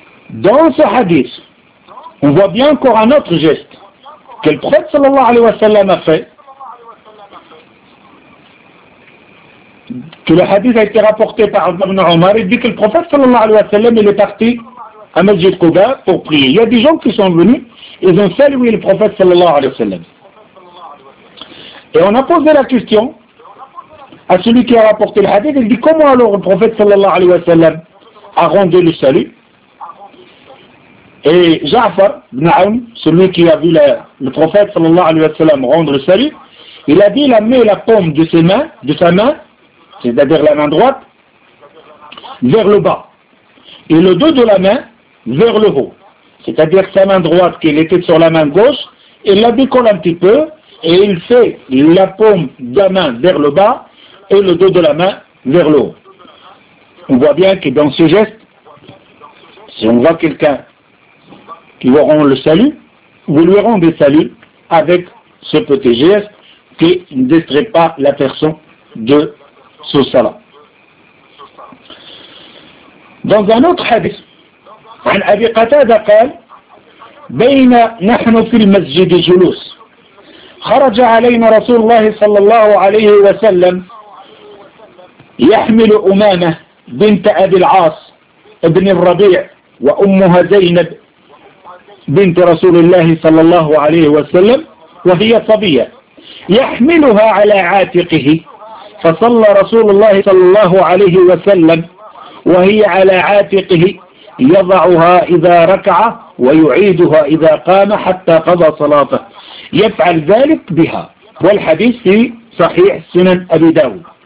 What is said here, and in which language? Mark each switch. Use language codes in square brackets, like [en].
[fr] دونس حديث on voit bien encore un autre geste que le prophète صلى الله عليه وسلم a fait que le hadith a été rapporté par Abdullah ibn Omar, il dit que le prophète sallallahu alayhi wa sallam il est parti à Masjid Quba pour prier. Il y a des gens qui sont venus, ils ont salué le prophète sallallahu alayhi wa sallam. Et on a posé la question à celui qui a rapporté le hadith, il dit comment alors le prophète sallallahu alayhi wa sallam a rendu le salut. Et Ja'far ibn Aoun, celui qui a vu le prophète sallallahu alayhi wa sallam rendre le salut, il a dit il a mis la paume de ses mains, de sa main, c'est-à-dire la main droite, vers le bas. Et le dos de la main, vers le haut. C'est-à-dire sa main droite qui était sur la main gauche, il la décolle un petit peu, et il fait la paume de la main vers le bas, et le dos de la main vers le haut. On voit bien que dans ce geste, si on voit quelqu'un qui vous rend le salut, vous lui rendez salut avec ce petit geste qui ne détruit pas la personne de sur cela. Dans un autre hadith, [ar] عن أبي قتادة قال بين نحن في المسجد جلوس خرج علينا رسول الله صلى الله عليه وسلم يحمل أمامة بنت أبي العاص ابن الربيع وأمها زينب بنت رسول الله صلى الله عليه وسلم وهي صبية يحملها على عاتقه فصلى رسول الله صلى الله عليه وسلم وهي على عاتقه يضعها إذا ركع ويعيدها إذا قام حتى قضى صلاته يفعل ذلك بها والحديث في صحيح سنن أبي داود